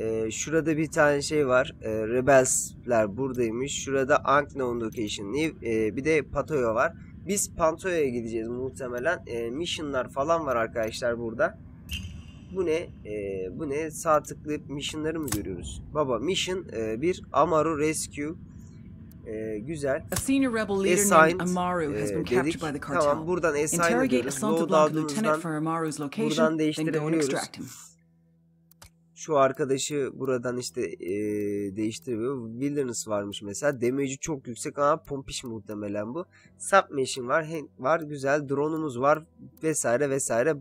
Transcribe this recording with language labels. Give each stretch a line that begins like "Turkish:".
Turkish: Şurada bir tane şey var. Rebels'ler buradaymış. Şurada Unknown Location. Bir de Patoya var. Biz Patoya'ya gideceğiz muhtemelen. Mission'lar falan var arkadaşlar burada. Bu ne? Bu ne? Sağ tıklayıp mission'ları mı görüyoruz? Baba mission bir Amaru Rescue. Güzel.
English: A senior rebel leader named Amaru has been captured by the cartel.
Turkish: Tamam, buradan assigned'ı buradan değiştirebiliyoruz. Şu arkadaşı buradan işte değiştirebiliyoruz. Wilderness varmış mesela. Damage'i çok yüksek ama pompiş muhtemelen bu. Submachine var, hang var, güzel. Drone'umuz var vesaire vesaire.